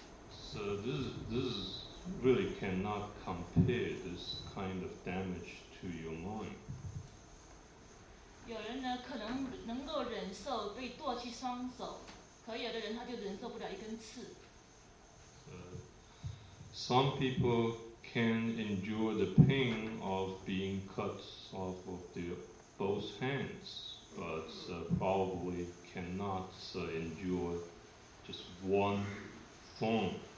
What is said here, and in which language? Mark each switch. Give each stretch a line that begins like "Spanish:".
English: So this really cannot compare this kind of damage to your mind.
Chinese: 有人呢，可能能够忍受被剁去双手，可有的人他就忍受不了一根刺。
English: Some people can endure the pain of being cut off of their both hands, but probably cannot endure just one thumb.